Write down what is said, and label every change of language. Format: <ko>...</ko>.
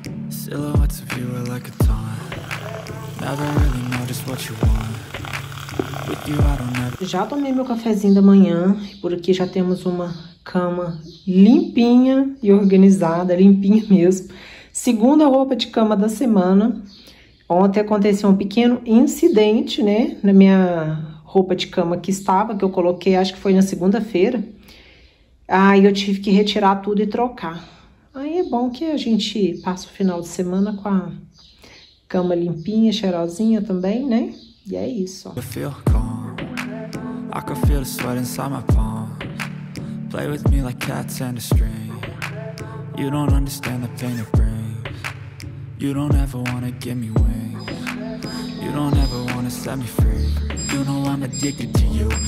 <en>Silhouettes of you are like a taunt. Never really know just what you want. With you, I don't ever...</en> <pt>Já tomei meu cafezinho da manhã. Por aqui já temos uma cama limpinha e organizada, limpinha mesmo. Segunda roupa de cama da semana. Ontem aconteceu um pequeno incidente, né? Na minha roupa de cama que estava, que eu coloquei, acho que foi na segunda-feira. Aí eu tive que retirar tudo e trocar. Aí é bom que a gente passa o final de semana com a cama limpinha, cheirosinha também, né? E é isso.</pt> <en>I feel calm. I can feel the sweat inside my palm. Play with me like cats and a string. You don't understand the pain it brings. You don't ever wanna give me wings. You don't ever wanna set me free. You know I'm addicted to you.</en>